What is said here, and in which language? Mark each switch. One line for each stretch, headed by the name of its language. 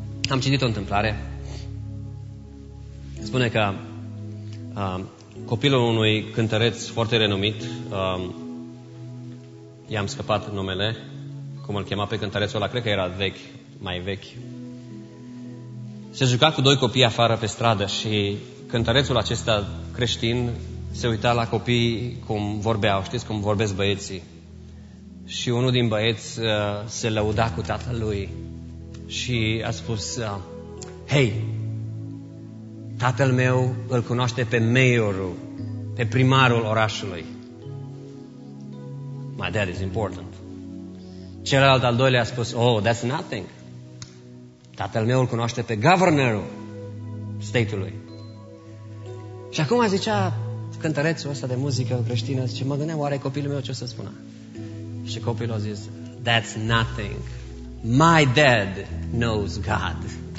Romanian: Am citit o întâmplare. Spune că copilul unui cântăreț foarte renumit, i-am scăpat numele, cum îl chema pe cântărețul ăla, cred că era vechi, mai vechi, se juca cu doi copii afară pe stradă și cântărețul acesta creștin se uita la copii cum vorbeau, știți cum vorbesc băieții. Și unul din băieți se lăuda cu tatălui și a spus, hei, tatăl meu îl cunoaște pe mayorul, pe primarul orașului.
English: My dad is important.
Romanian: Celălalt al doilea a spus,
English: oh, that's nothing.
Romanian: Tatăl meu îl cunoaște pe governorul state-ului. Și acum zicea cântărețul ăsta de muzică creștină, zice, mă gândeam, oare copilul meu ce o să spună? Și copilul a zis,
English: that's nothing. My dad knows God.